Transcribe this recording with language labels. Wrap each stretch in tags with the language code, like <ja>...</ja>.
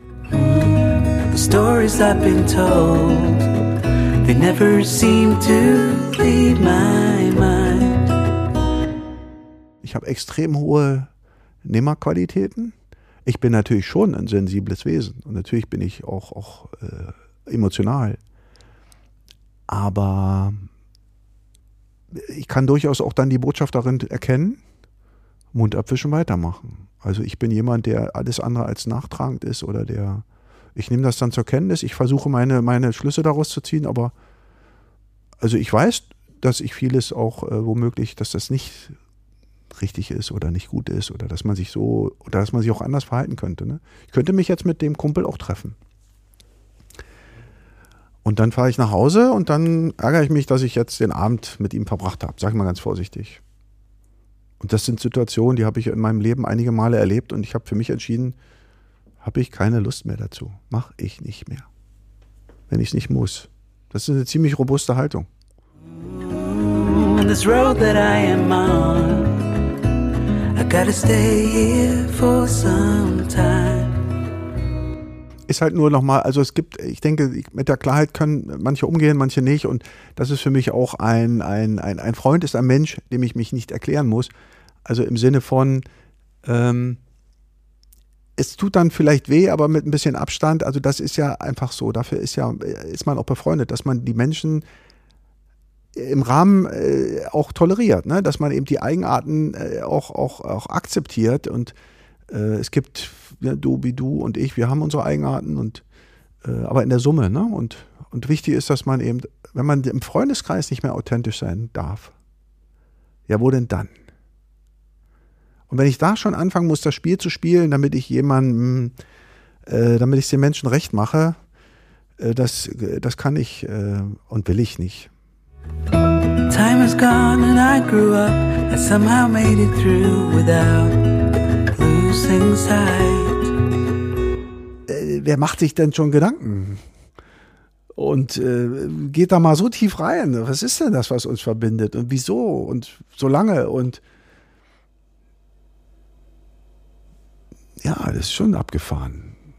<en>The stories I've been told, they never seem to leave my mind.</en> <de>Ich habe extrem hohe Nehmerqualitäten. Ich bin natürlich schon ein sensibles Wesen und natürlich bin ich auch emotional. Aber ich kann durchaus auch dann die Botschaft darin erkennen, Mund abwischen, weitermachen. Also ich bin jemand, der alles andere als nachtragend ist oder der, ich nehme das dann zur Kenntnis, ich versuche meine Schlüsse daraus zu ziehen, aber also ich weiß, dass ich vieles auch womöglich, dass das nicht richtig ist oder nicht gut ist oder dass man sich so oder dass man sich auch anders verhalten könnte. Ne? Ich könnte mich jetzt mit dem Kumpel auch treffen. Und dann fahre ich nach Hause und dann ärgere ich mich, dass ich jetzt den Abend mit ihm verbracht habe. Sag ich mal ganz vorsichtig. Und das sind Situationen, die habe ich in meinem Leben einige Male erlebt und ich habe für mich entschieden, habe ich keine Lust mehr dazu. Mach ich nicht mehr. Wenn ich es nicht muss. Das ist eine ziemlich robuste Haltung.</de> <en>This road that I am on, gotta stay here for some time.</en> <de>Ist halt nur nochmal, also es gibt, ich denke, mit der Klarheit können manche umgehen, manche nicht. Und das ist für mich auch ein Freund, ist ein Mensch, dem ich mich nicht erklären muss. Also im Sinne von, es tut dann vielleicht weh, aber mit ein bisschen Abstand. Also das ist ja einfach so. Dafür ist ja, ist man auch befreundet, dass man die Menschen im Rahmen auch toleriert, ne? Dass man eben die Eigenarten auch akzeptiert und es gibt, ja, du wie du und ich, wir haben unsere Eigenarten und aber in der Summe, ne? Und wichtig ist, dass man eben, wenn man im Freundeskreis nicht mehr authentisch sein darf, ja wo denn dann? Und wenn ich da schon anfangen muss, das Spiel zu spielen, damit ich jemandem, damit ich es den Menschen recht mache, das kann ich und will ich nicht.</de> <en>Time has gone and I grew up and somehow made it through without losing sight.</en> <de>Wer macht sich denn schon Gedanken? Und geht da mal so tief rein. Was ist denn das, was uns verbindet? Und wieso? Und so lange? Und ja, das ist schon abgefahren.</de>